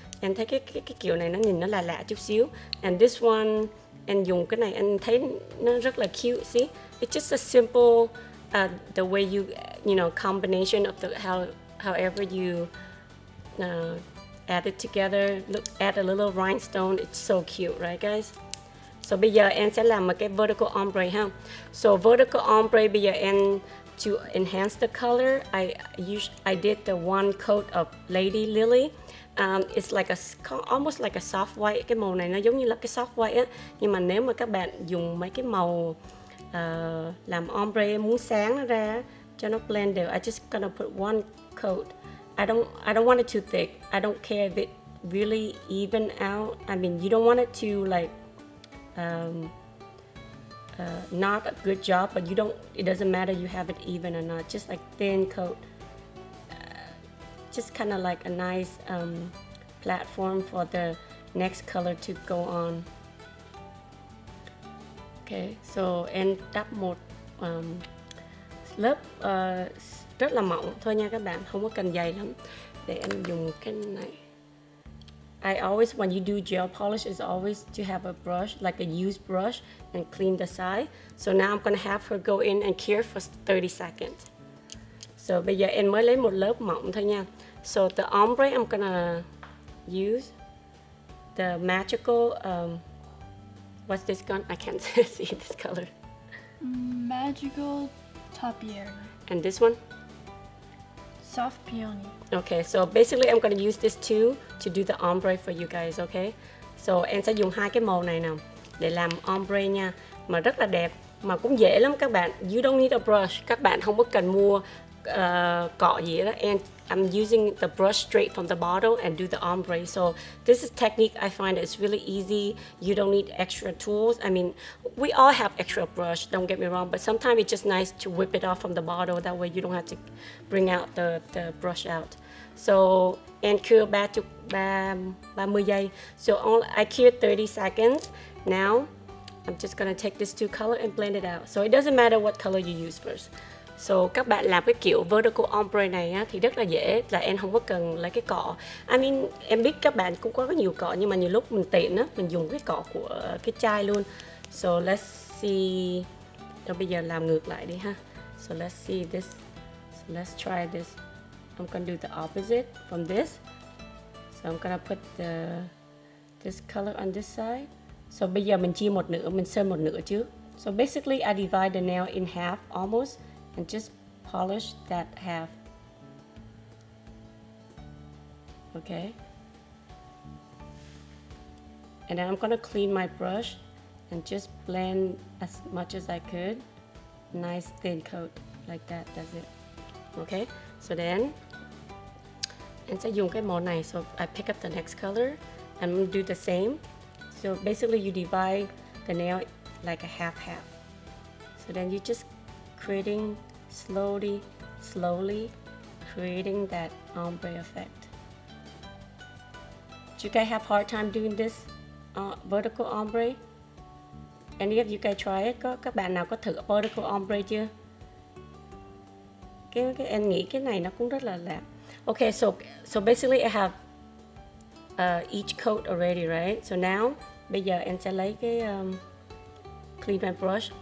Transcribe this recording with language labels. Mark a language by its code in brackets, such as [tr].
[vi] Em thấy cái kiểu này nó nhìn nó là lạ chút xíu. [en] And this one, [vi] em dùng cái này em thấy nó rất là cute. [en] See, it's just a simple the way you know combination of the however you add it together. Look, add a little rhinestone. It's so cute, right, guys? [vi] So bây giờ em sẽ làm một cái vertical ombre ha. [en] So vertical ombre [vi] bây giờ em [en] to enhance the color, I did the one coat of Lady Lily. It's like almost like a soft white. [vi] Cái màu này nó giống như là cái soft white á. Nhưng mà nếu mà các bạn dùng mấy cái màu làm ombre muốn sáng nó ra cho nó blend đều, [en] I just gonna put one coat. I don't want it too thick. I don't care if it really even out. I mean, you don't want it to like not a good job, but it doesn't matter you have it even or not, just like thin coat, just kind of like a nice platform for the next color to go on. [vi] Okay, so and đắp một lớp rất là mỏng thôi nha các bạn, không có cần dày lắm. Để em dùng cái này. [en] I always, when you do gel polish, is always to have a brush, like a used brush, and clean the side. So now I'm gonna have her go in and cure for 30 seconds. [vi] So bây giờ em mới lấy một lớp mỏng thôi nha. [en] So the ombre I'm gonna use, the magical, what's this gun? I can't see this color. Magical Topiary. And this one? Soft Peony. Okay, so basically I'm gonna use this too to do the ombre for you guys, okay? [vi] So em sẽ dùng hai cái màu này nè để làm ombre nha, mà rất là đẹp, mà cũng dễ lắm các bạn. [en] You don't need a brush, [vi] các bạn không có cần mua cọ gì đó. [en] And I'm using the brush straight from the bottle and do the ombre. So this is technique I find it's really easy. You don't need extra tools. I mean, we all have extra brush, don't get me wrong, but sometimes it's just nice to whip it off from the bottle. That way you don't have to bring out the brush out. So and cure 30 giây. So only I cure 30 seconds. Now I'm just gonna take this two color and blend it out. So it doesn't matter what color you use first. [vi] So các bạn làm cái kiểu vertical ombre này á, thì rất là dễ, là em không có cần lấy cái cọ. I mean, em biết các bạn cũng có nhiều cọ, nhưng mà nhiều lúc mình tiện á, mình dùng cái cọ của cái chai luôn. [en] So let's see, [vi] cho bây giờ làm ngược lại đi ha. [en] So let's see this, so let's try this. I'm gonna do the opposite from this. So I'm gonna put this color on this side. [vi] So bây giờ mình chia một nửa, mình sơn một nửa chứ. [en] So basically I divide the nail in half almost, and just polish that half. Okay. And then I'm gonna clean my brush and just blend as much as I could. Nice thin coat like that, that's it. Okay, so then, and [vi] sẽ dùng cái màu này, [en] so I pick up the next color and do the same. So basically you divide the nail like a half. So then you're just creating slowly creating that ombre effect. Do you guys have a hard time doing this vertical ombre? Any of you guys try it? [vi] Các bạn nào có thử vertical ombre chưa? Cái em nghĩ cái này nó cũng rất là lạ. [en] Okay, so basically I have each coat already, right? [vi] So now, bây giờ em sẽ lấy cái [en] clean my brush.